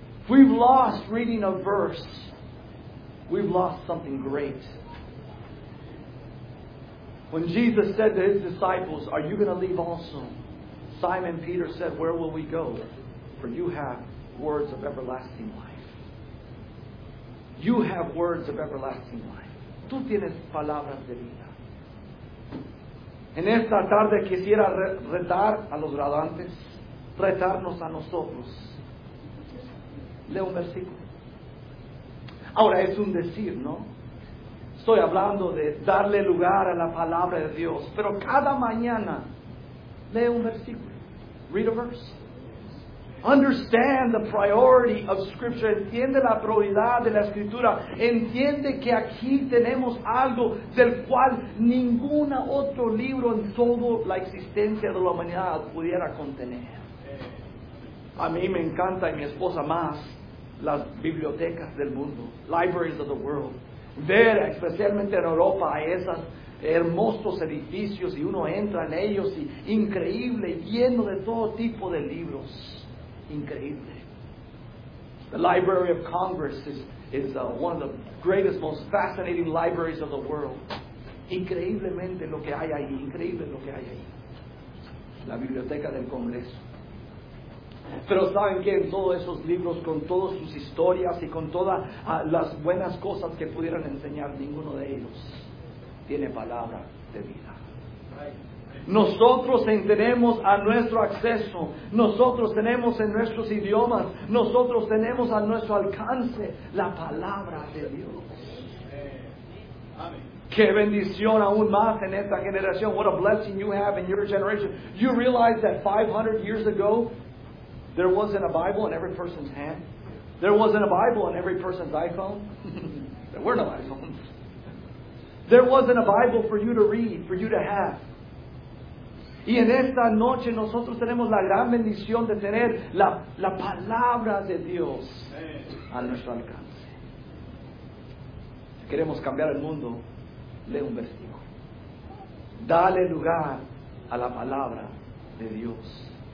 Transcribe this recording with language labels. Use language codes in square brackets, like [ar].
[en] We've lost reading a verse. We've lost something great. When Jesus said to his disciples, are you going to leave also? Simon Peter said, where will we go? For you have words of everlasting life. You have words of everlasting life. [es] Tú tienes palabras de vida. En esta tarde quisiera retar a los graduantes, retarnos a nosotros. Leo un versículo. Ahora es un decir, ¿no? Estoy hablando de darle lugar a la palabra de Dios, pero cada mañana lee un versículo. [en] Read a verse. Understand the priority of Scripture. [es] Entiende la prioridad de la Escritura. Entiende que aquí tenemos algo del cual ningún otro libro en toda la existencia de la humanidad pudiera contener. A mí me encanta y mi esposa más las bibliotecas del mundo, [en] libraries of the world. [es] Ver, especialmente en Europa, esas hermosos edificios y uno entra en ellos y increíble, lleno de todo tipo de libros. Increíble. [en] The Library of Congress is one of the greatest, most fascinating libraries of the world. [es] Increíblemente lo que hay ahí, increíble lo que hay ahí. La Biblioteca del Congreso. Pero ¿saben qué? En todos esos libros, con todas sus historias y con todas las buenas cosas que pudieran enseñar, ninguno de ellos tiene palabra de vida. Nosotros tenemos a nuestro acceso, nosotros tenemos en nuestros idiomas, nosotros tenemos a nuestro alcance la palabra de Dios. Amén. ¡Qué bendición aún más en esta generación! [en] What a blessing you have in your generation. You realize that 500 years ago, there wasn't a Bible in every person's hand. There wasn't a Bible in every person's iPhone. There were no iPhones. There wasn't a Bible for you to read, for you to have. [es] Y en esta noche nosotros tenemos la gran bendición de tener la palabra de Dios a nuestro alcance. Si queremos cambiar el mundo, lee un versículo. Dale lugar a la palabra de Dios.